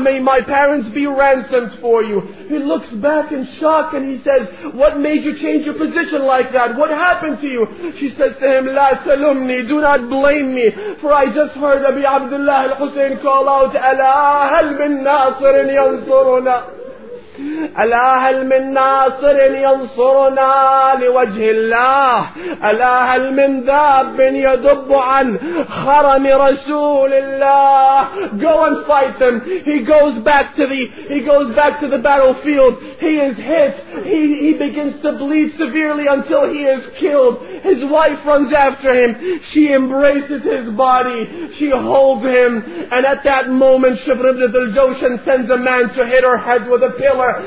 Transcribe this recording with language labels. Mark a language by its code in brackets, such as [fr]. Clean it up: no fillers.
[en] May my parents be ransomed for you. He looks back in shock and he says, "What made you change your position like that? What happened to you?" She says to him, [ar] "La talumni, [en] do not blame me, for I just heard Abi Abdullah al-Husayn call out, [ar] 'Ala hal min nasirin yansuruna. ألا هل من ناصر ينصرنا لوجه الله ألا هل من ذاب يدب عن خرم رسول الله." [en] Go and fight them. He goes back to the battlefield. He is hit. He begins to bleed severely until he is killed. His wife runs after him. She embraces his body. She holds him. And at that moment, Shibr ibn Dhul-Jawshan sends a man to hit her head with a pillar.